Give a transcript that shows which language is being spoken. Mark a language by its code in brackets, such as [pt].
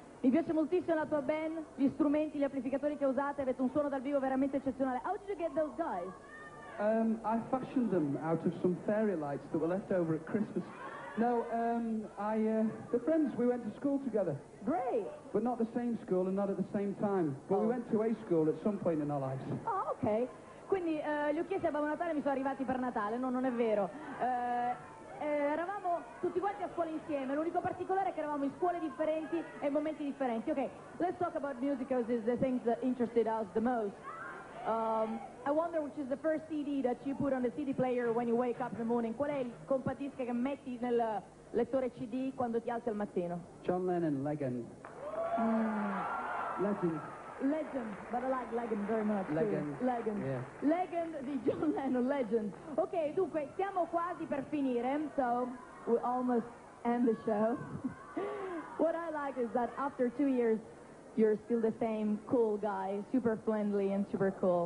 [it] Mi piace moltissimo la tua band, gli strumenti, gli amplificatori che usate, avete un suono dal vivo veramente eccezionale. [en] How did you get those guys? I fashioned them out of some fairy lights that were left over at Christmas. No, the friends, we went to school together. Great. But not the same school and not at the same time. But we went to a school at some point in our lives. Oh, ok. [it] Quindi, gli ho chiesto a Babbo Natale, mi sono arrivati per Natale. No, non è vero. Eravamo tutti quanti a scuola insieme. L'unico particolare è che eravamo in scuole differenti e in momenti differenti. [en] Ok, let's talk about music, because it's the things that interested us the most. I wonder which is the first CD that you put on the CD player when you wake up in the morning. [it] Qual è il compatisc che metti nel lettore CD quando ti alzi al mattino? [en] John Lennon, Legend. Legend, but I like Legend very much. Legend [it] di John Lennon, Legend. Ok, dunque, siamo quasi per finire, [en] so we almost end the show. What I like fact is that after 2 years, you're still the same cool guy, super friendly and super cool.